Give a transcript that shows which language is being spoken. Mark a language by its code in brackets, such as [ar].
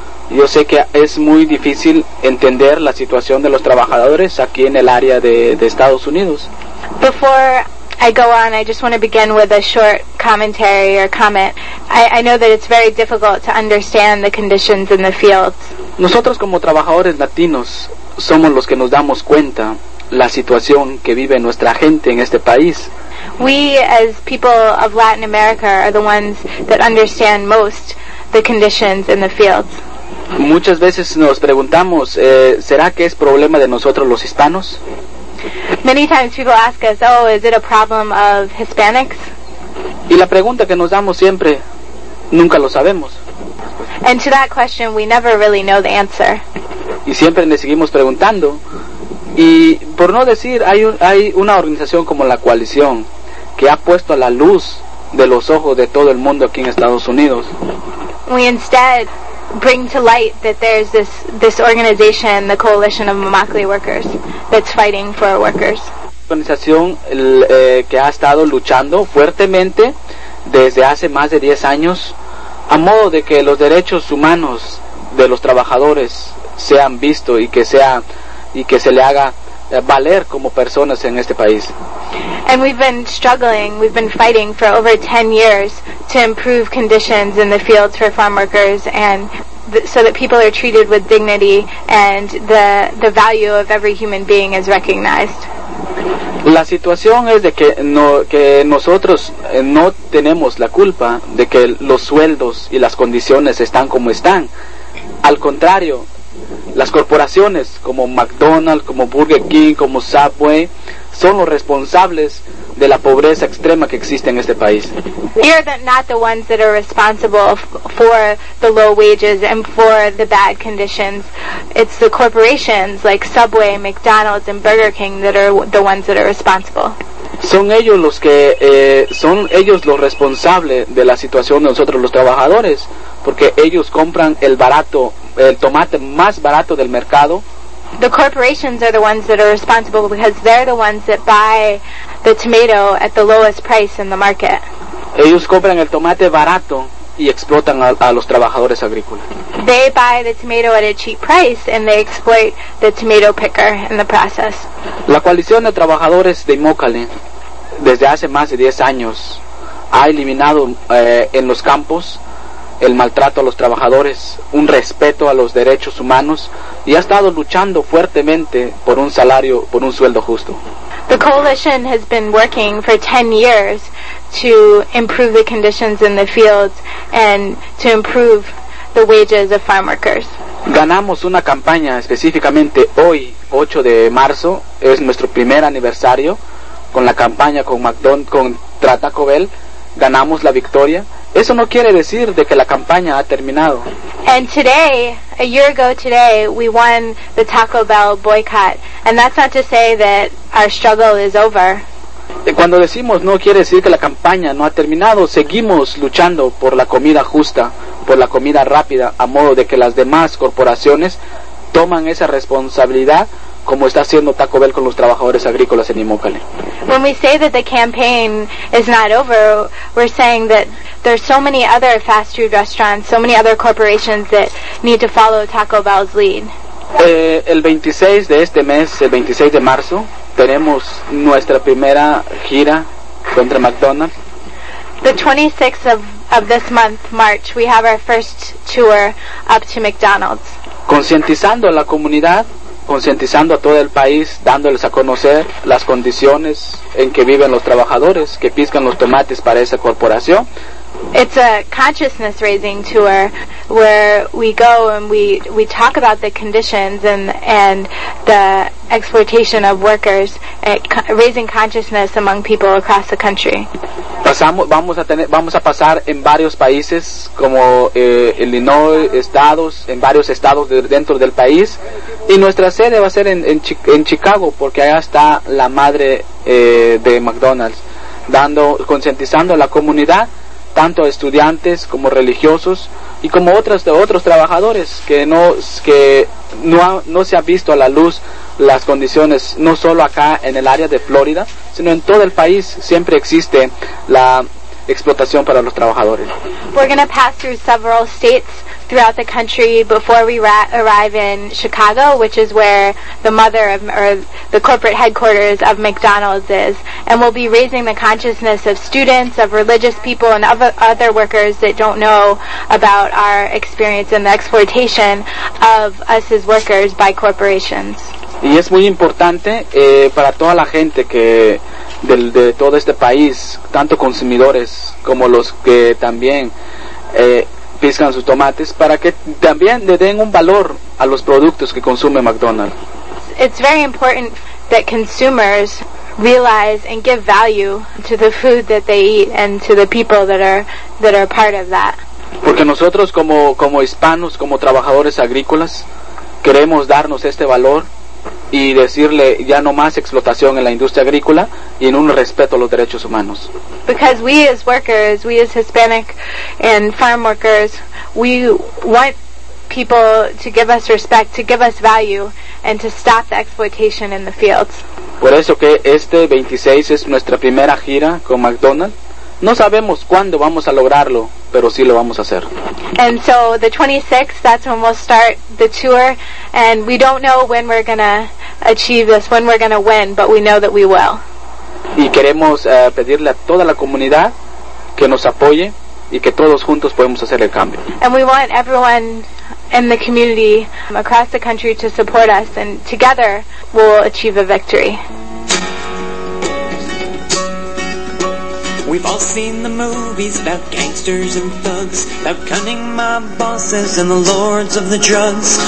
[es] Yo sé que es muy difícil entender la situación de los trabajadores aquí en el área de Estados Unidos. [en] Before I go on, I just want to begin with a short commentary or comment. I know that it's very difficult to understand the conditions in the fields. [es] Nosotros como trabajadores latinos somos los que nos damos cuenta la situación que vive nuestra gente en este país. [en] We as people of Latin America are the ones that understand most the conditions in the fields. [es] Muchas veces nos preguntamos, ¿será que es problema de nosotros los hispanos? [en] Many times people ask us, oh, is it a problem of Hispanics? [es] Y la pregunta que nos damos siempre, nunca lo sabemos. [en] And to that question, we never really know the answer. [es] Y siempre le seguimos preguntando. Y por no decir, hay una organización como la coalición que ha puesto a la luz de los ojos de todo el mundo aquí en Estados Unidos. [en] We instead bring to light that there's this organization, the Coalition of Immokalee Workers, that's fighting for our workers. [es] Organización que ha estado luchando fuertemente desde hace más de 10 años a modo de que los derechos humanos de los trabajadores sean visto y que se le haga valer como personas en este país. [en] And we've been struggling, we've been fighting for over 10 years to improve conditions in the fields for farm workers and so that people are treated with dignity and the value of every human being is recognized. [es] La situación es de que nosotros no tenemos la culpa de que los sueldos y las condiciones están como están. Al contrario, las corporaciones como McDonald's, como Burger King, como Subway son los responsables de la pobreza extrema que existe en este país. [en] We are not the ones that are responsible for the low wages and for the bad conditions. It's the corporations like Subway, McDonald's and Burger King that are the ones that are responsible. [es] Son ellos los que son ellos los responsables de la situación de nosotros los trabajadores, porque ellos compran el tomate más barato del mercado. [en] The corporations are the ones that are responsible because they're the ones that buy the tomato at the lowest price in the market. [es] Ellos compran el tomate barato y explotan a los trabajadores agrícolas. [en] They buy the tomato at a cheap price and they exploit the tomato picker in the process. [es] La coalición de trabajadores de Immokalee desde hace más de 10 años ha eliminado en los campos el maltrato a los trabajadores, un respeto a los derechos humanos, y ha estado luchando fuertemente por un salario, por un sueldo justo. [en] The coalition has been working for 10 years to improve the conditions in the fields and to improve the wages of farm workers. [es] Ganamos una campaña específicamente hoy, 8 de marzo, es nuestro primer aniversario, con la campaña con Taco Bell, ganamos la victoria. Eso no quiere decir de que la campaña ha terminado. [en] And today, a year ago today, we won the Taco Bell boycott. And that's not to say that our struggle is over. [es] Cuando decimos no quiere decir que la campaña no ha terminado, seguimos luchando por la comida justa, por la comida rápida, a modo de que las demás corporaciones toman esa responsabilidad como está haciendo Taco Bell con los trabajadores agrícolas en Imokale. [en] When we say that the campaign is not over, we're saying that there's so many other fast food restaurants, so many other corporations that need to follow Taco Bell's lead. [es] El 26 de este mes, el 26 de marzo, tenemos nuestra primera gira contra McDonald's. [en] The 26th of this month, March, we have our first tour up to McDonald's. [es] Concientizando a la comunidad, concientizando a todo el país, dándoles a conocer las condiciones en que viven los trabajadores que piscan los tomates para esa corporación. [en] It's a consciousness raising tour where we go and we talk about the conditions and the exploitation of workers, raising consciousness among people across the country. [es] Vamos a pasar en varios países como Illinois, estados, en varios estados dentro del país, y nuestra sede va a ser en Chicago, porque allá está la madre de McDonald's, dando, concientizando a la comunidad, tanto estudiantes como religiosos y como otros trabajadores que no se ha visto a la luz las condiciones, no solo acá en el área de Florida, sino en todo el país siempre existe la explotación para los trabajadores. [en] We're going to pass through several states throughout the country before we arrive in Chicago, which is where the corporate headquarters of McDonald's is. And we'll be raising the consciousness of students, of religious people, and of other workers that don't know about our experience and the exploitation of us as workers by corporations. [es] Y es muy importante para toda la gente que de todo este país, tanto consumidores como los que también piscan sus tomates, para que también le den un valor a los productos que consume McDonald's. [en] It's very important that consumers realize and give value to the food that they eat and to the people that are part of that. [es] Porque nosotros como hispanos, como trabajadores agrícolas, queremos darnos este valor y decirle ya no más explotación en la industria agrícola y en un respeto a los derechos humanos. [en] Because we as workers, we as Hispanic and farm workers, we want people to give us respect, to give us value, and to stop the exploitation in the fields. [es] Por eso que este 26 es nuestra primera gira con McDonald's. No sabemos cuándo vamos a lograrlo, pero sí lo vamos a hacer. [en] And so the 26th, that's when we'll start the tour, and we don't know when we're going to achieve this, when we're going to win, but we know that we will. [es] Y queremos pedirle a toda la comunidad que nos apoye y que todos juntos podemos hacer el cambio. [en] And we want everyone in the community across the country to support us, and together we'll achieve a victory. We've all seen the movies about gangsters and thugs, about cunning mob bosses and the lords of the drugs.